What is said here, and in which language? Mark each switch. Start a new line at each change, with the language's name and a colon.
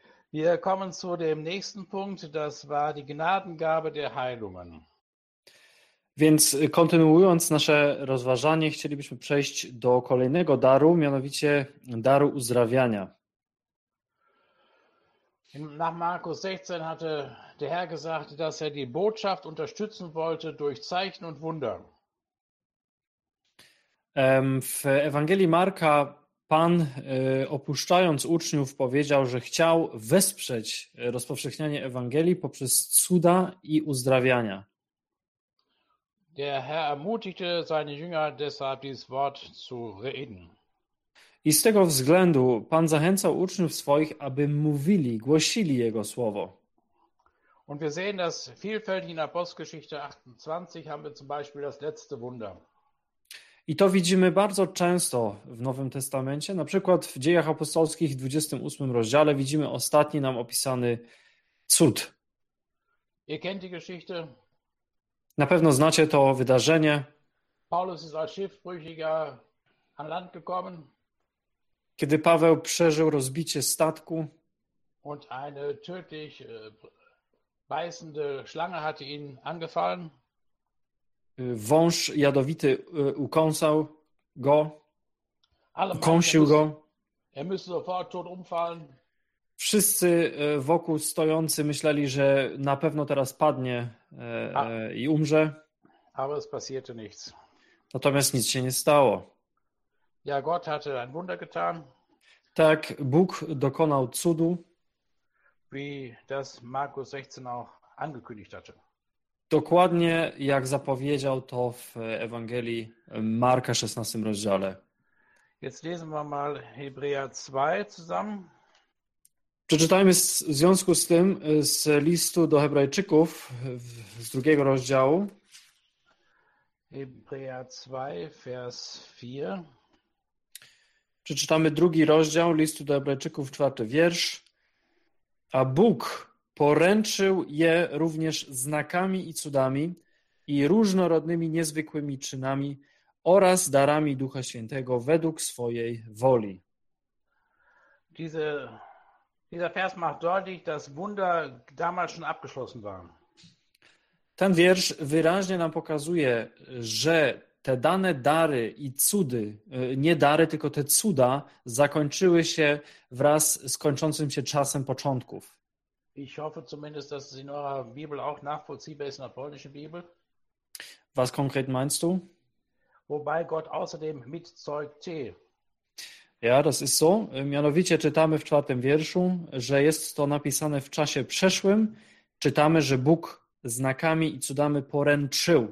German: Wir kommen zu dem nächsten Punkt. Das war die Gnadengabe der Heilungen.
Polish: Więc kontynuując nasze rozważanie, chcielibyśmy przejść do kolejnego daru, mianowicie daru uzdrawiania.
German: Nach Markus 16 hatte der Herr gesagt, dass er die Botschaft unterstützen wollte durch Zeichen und Wunder.
Polish: W Ewangelii Marka Pan, opuszczając uczniów, powiedział, że chciał wesprzeć rozpowszechnianie Ewangelii poprzez cuda i uzdrawiania.
German: Der Herr ermutigte seine Jünger deshalb dieses Wort zu reden.
Polish: I z tego względu Pan zachęcał uczniów swoich, aby mówili, głosili Jego słowo.
German: Und wir sehen das vielfältig in Apostelgeschichte 28 haben wir zum Beispiel das letzte Wunder.
Polish: I to widzimy bardzo często w Nowym Testamencie, na przykład w Dziejach Apostolskich w 28 rozdziale widzimy ostatni nam opisany cud.
German: Ihr kennt die Geschichte.
Polish: Na pewno znacie to wydarzenie.
German: Paulus ist als Schiffbrüchiger an Land gekommen.
Polish: Kiedy Paweł przeżył rozbicie statku.
German: Und eine tödlich beißende Schlange hatte ihn angefallen.
Polish: Wąż jadowity ukąsał go, ukąsił go.
German: Er müsse sofort tot umfallen.
Polish: Wszyscy wokół stojący myśleli, że na pewno teraz padnie i umrze.
German: Aber es passierte nichts.
Polish: Natomiast nic się nie stało.
German: Ja, Gott hatte ein Wunder getan.
Polish: Tak, Bóg dokonał cudu.
German: Wie das Markus 16 auch angekündigt hatte.
Polish: Dokładnie jak zapowiedział to w Ewangelii Marka 16 rozdziale.
German: Jetzt lesen wir mal Hebräer 2 zusammen.
Polish: Przeczytajmy w związku z tym z listu do Hebrajczyków z drugiego rozdziału.
German: Hebräer 2, vers 4.
Polish: Przeczytamy drugi rozdział listu do Hebrajczyków, czwarty wiersz. A Bóg poręczył je również znakami i cudami i różnorodnymi, niezwykłymi czynami oraz darami Ducha Świętego według swojej woli.
German: Dieser Vers macht deutlich, dass Wunder damals schon abgeschlossen waren.
Polish: Ten wiersz wyraźnie nam pokazuje, że te dane dary i cudy, nie dary, tylko te cuda, zakończyły się wraz z kończącym się czasem początków.
German: Ich hoffe zumindest, dass es in eurer Bibel auch nachvollziehbar ist, in der polnischen Bibel. Was konkret meinst du? Wobei Gott außerdem mitzeugte. Ja, das ist so.
Polish: Mianowicie czytamy w czwartym wierszu, że jest to napisane w czasie przeszłym. Czytamy, że Bóg znakami i cudami poręczył.